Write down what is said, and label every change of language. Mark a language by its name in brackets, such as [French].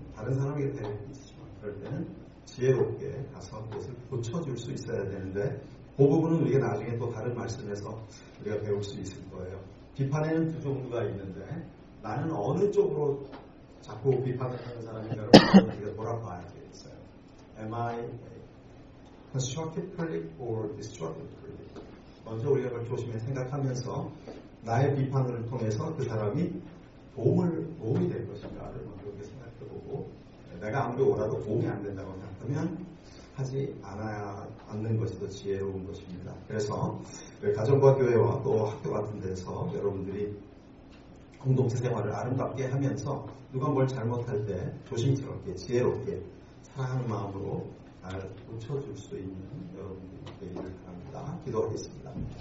[Korean] 다른 사람에게 되는 것이지만 그럴 때는 지혜롭게 가서 그것을 고쳐줄 수 있어야 되는데 그 부분은 우리가 나중에 또 다른 말씀에서 우리가 배울 수 있을 거예요. 비판에는 두 종류가 있는데 나는 어느 쪽으로 자꾸 비판을 하는 사람인가를 우리가 돌아봐야 되겠어요. [English] Am I a constructive critic or destructive critic? [Korean] 먼저 우리가 그걸 조심히 생각하면서 나의 비판을 통해서 그 사람이 도움이 될 것인가를 먼저 이렇게 생각해 보고, 내가 아무리 오라도 도움이 안 된다고 생각하면 하지 않아야 않는 것이 더 지혜로운 것입니다. 그래서 가정과 교회와 또 학교 같은 데서 여러분들이 공동체 생활을 아름답게 하면서 누가 뭘 잘못할 때 조심스럽게 지혜롭게 사랑하는 마음으로 나를 고쳐줄 수 있는 여러분들이 되기를 바랍니다. 기도하겠습니다.